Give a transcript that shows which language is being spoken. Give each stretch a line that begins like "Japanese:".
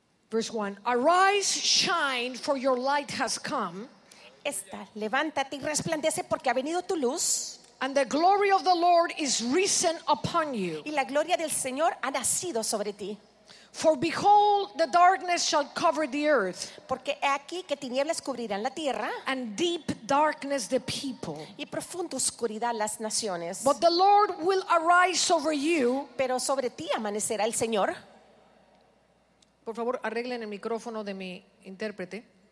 English: Verse 1. Arise, shine, for your light has come.
Spanish: Esta, levántate y resplandece porque ha venido tu luz.
English: And the glory of the Lord is risen upon you.
Spanish: Y la gloria del Señor ha nacido sobre ti.
English: For behold, the darkness shall cover the earth.
Spanish: Porque he aquí que tinieblas cubrirán la tierra.
English: And deep darkness the people.
Spanish: Y profunda oscuridad las naciones.
English: But the Lord will arise over you.
Spanish: Pero sobre ti amanecerá el Señor. Por favor, arreglen el micrófono de mi intérprete.